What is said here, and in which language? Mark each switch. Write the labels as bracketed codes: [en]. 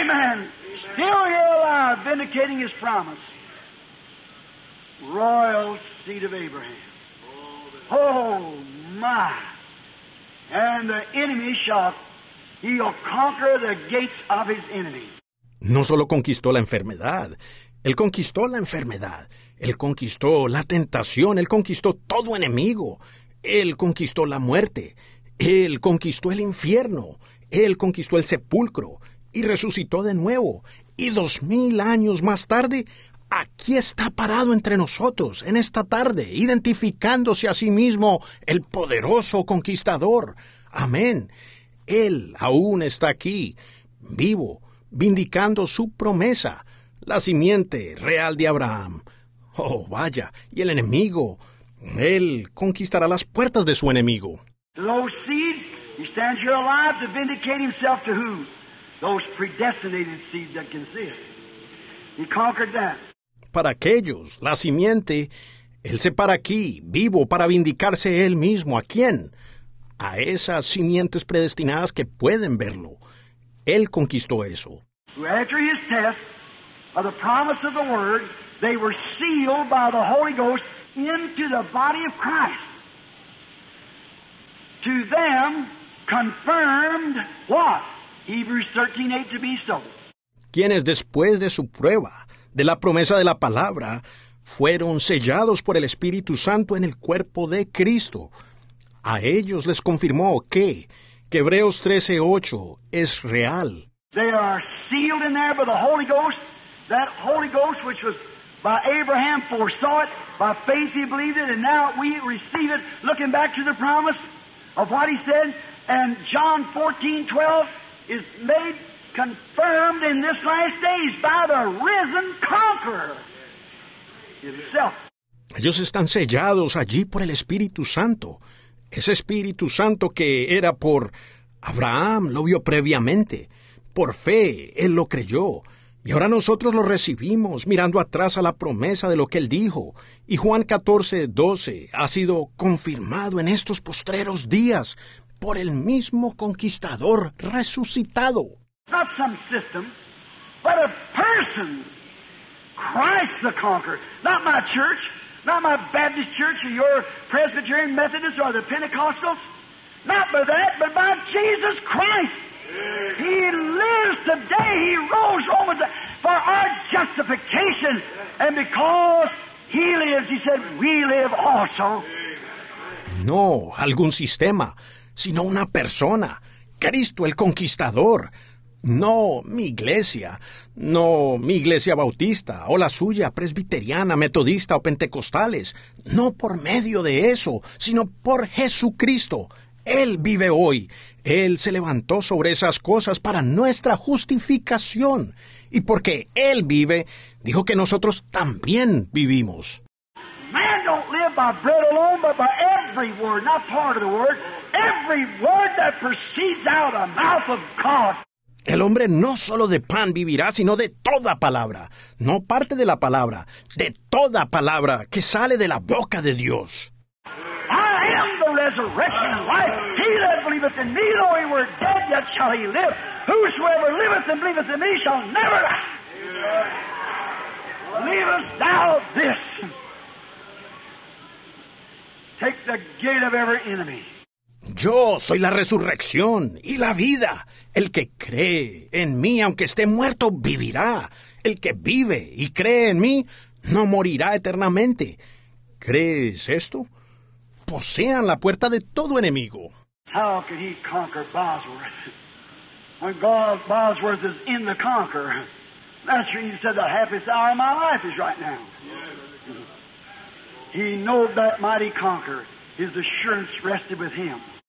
[en] Amen. Amen. Still here alive, vindicating his promise. Royal seed of Abraham. Oh, my. And the enemy shall. He'll conquer the gates of his enemy. [es] No solo conquistó la enfermedad. Él conquistó la enfermedad. Él conquistó la tentación. Él conquistó todo enemigo. Él conquistó la muerte. Él conquistó el infierno. Él conquistó el sepulcro. Y resucitó de nuevo. Y 2,000 años más tarde, aquí está parado entre nosotros, en esta tarde, identificándose a sí mismo el poderoso conquistador. Amén. Él aún está aquí, vivo, vindicando su promesa, la simiente real de Abraham. Oh, vaya, y el enemigo, él conquistará las puertas de su enemigo. [en] Those seeds, he stands here alive to vindicate himself to who? Those predestinated seeds that can see it. He conquered that. [es] Para aquellos, la simiente, Él se para aquí, vivo, para vindicarse él mismo. ¿A quién? A esas simientes predestinadas que pueden verlo. Él conquistó eso. [en] After his death, by the promise of the word, they were sealed by the Holy Ghost into the body of Christ. To them confirmed what? Hebrews 13:8 to be so. [es] Quienes después de su prueba, de la promesa de la palabra, fueron sellados por el Espíritu Santo en el cuerpo de Cristo. A ellos les confirmó que Hebreos 13:8 es real. [en] They are sealed in there by the Holy Ghost, that Holy Ghost which was by Abraham foresaw it, by faith he believed it, and now we receive it, looking back to the promise of what he said, and John 14:12 is made confirmed in this last days by the risen conqueror. [es] Ellos están sellados allí por el Espíritu Santo. Ese Espíritu Santo que era por Abraham, lo vio previamente. Por fe, él lo creyó. Y ahora nosotros lo recibimos, mirando atrás a la promesa de lo que él dijo. Y Juan 14:12 ha sido confirmado en estos postreros días por el mismo conquistador resucitado. [en] Not some system, but a person. Christ the conqueror, not my church, not my Baptist church or your Presbyterian Methodist or the Pentecostals, not by that, but by Jesus Christ. He lives today. He rose over the, for our justification. And because he lives, he said, we live also. [es] No, algún sistema, sino una persona, Cristo el conquistador. No mi iglesia, no mi iglesia bautista, o la suya, presbiteriana, metodista o pentecostales. No por medio de eso, sino por Jesucristo. Él vive hoy. Él se levantó sobre esas cosas para nuestra justificación. Y porque Él vive, dijo que nosotros también vivimos. [en] Man don't live by bread alone, but by every word, not part of the word, every word that proceeds out of the mouth of God. [es] El hombre no solo de pan vivirá, sino de toda palabra. No parte de la palabra, de toda palabra que sale de la boca de Dios. [en] I am the resurrection and life. He that believeth in me, though he were dead, yet shall he live. Whosoever liveth and believeth in me shall never die. Leavest thou this. Take the gate of every enemy. [es] Yo soy la resurrección y la vida. El que cree en mí, aunque esté muerto, vivirá. El que vive y cree en mí, no morirá eternamente. ¿Crees esto? Posean la puerta de todo enemigo. [en] How can he conquer Bosworth? When God Bosworth is in the conqueror. That's when you said the happiest hour of my life is right now. He knows that mighty conqueror. His assurance rested with him.